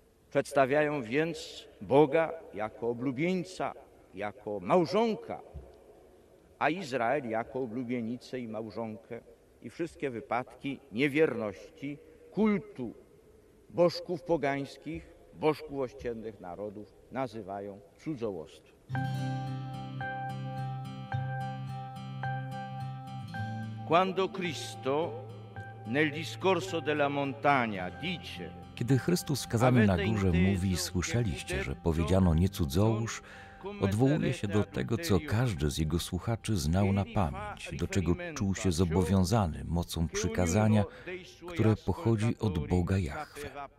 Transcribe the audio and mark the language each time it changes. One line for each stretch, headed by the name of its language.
Polish: Przedstawiają więc Boga jako oblubieńca, jako małżonka, a Izrael jako oblubienicę i małżonkę, i wszystkie wypadki niewierności kultu bożków pogańskich, bożków ościennych narodów nazywają cudzołóstwem.
Italian: Quando Cristo nel discorso della montagna dice:
Polish: kiedy Chrystus wskazany na górze mówi: słyszeliście, że powiedziano nie cudzołóż, odwołuje się do tego, co każdy z jego słuchaczy znał na pamięć, do czego czuł się zobowiązany mocą przykazania, które pochodzi od Boga Jahwe.